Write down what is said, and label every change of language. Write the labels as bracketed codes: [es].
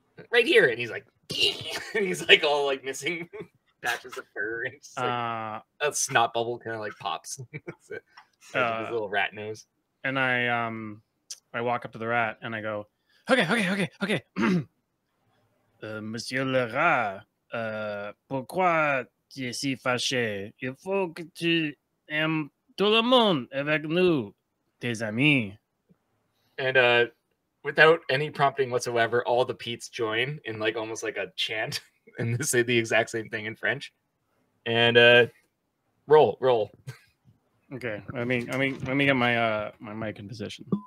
[en] Right here. And he's like, and he's like all like missing patches of fur. And just, like, a snot bubble kind of like pops. his little rat nose. And I walk up to the rat and I go, okay. [fr] Monsieur le rat, pourquoi tu es si fâché? Il faut que tu aimes tout le monde avec nous, tes amis. [en] And without any prompting whatsoever, all the Peets join in like almost like a chant, and they say the exact same thing in French. And roll. Okay, let me get my my mic in position.